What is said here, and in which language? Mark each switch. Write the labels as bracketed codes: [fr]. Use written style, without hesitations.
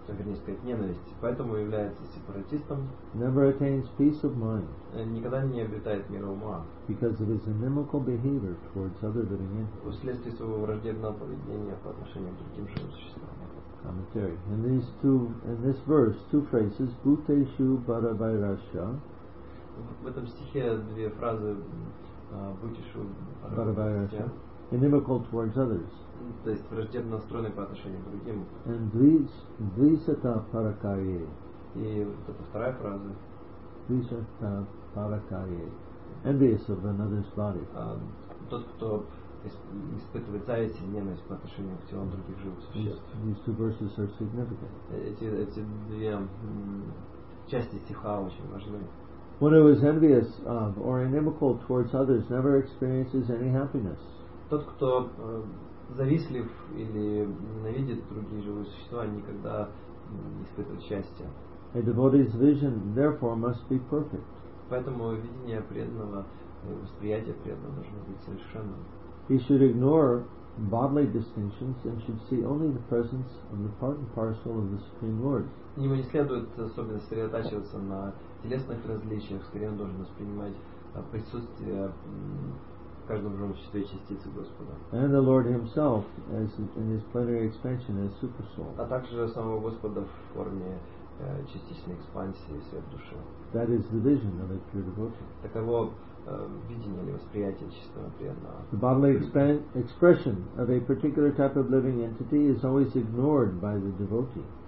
[ru] Вернее сказать, ненависть. Поэтому является сепаратистом. [en] Never attains peace of mind. [ru] Никогда не обретает мира ума. [en] Because of his inimical behavior towards other living entities. [ru] Вследствие своего враждебного поведения по отношению к другим живым существам. [en] Commentary. In this verse, two phrases, Bhuteshu Bharavairasya. [ru] В этом стихе две фразы Bhuteshu [en] Bharavairasya. Inimical towards others. [ru] То есть враждебно настроены по отношению к другим. [en] And Dvisata Parakaye. [ru] И вот это вторая фраза. [en] Dvisata Parakaye. Envious of another's body. [ru] Тот, кто испытывает зависть и ненависть по отношению к телам других живых существ. [en] These two verses are significant. [ru] Эти две части стиха очень важны. [en] One who is envious of or inimical towards others never experiences any happiness. [ru] Тот, кто завистлив или ненавидит другие живые существа, никогда не испытывает счастья. [en] A devotee's vision therefore must be perfect. [ru] Поэтому видение преданного, восприятие преданного должно быть совершенным. [en] He should ignore bodily distinctions and should see only the presence of the part and parcel of the Supreme Lord. [ru] Ему не следует особенно сосредотачиваться на телесных различиях, скорее он должен воспринимать присутствие в каждом живом существе частицы Господа. [en] And the Lord Himself as in His plenary expansion as Supersoul. [ru] А также самого Господа в форме частичной экспансии Сверхдуши. [en] That is the vision of a pure devotee. [ru] Таково видение или восприятие чистого преданного. [en] The bodily expression of a particular type of living entity is always ignored by the devotee.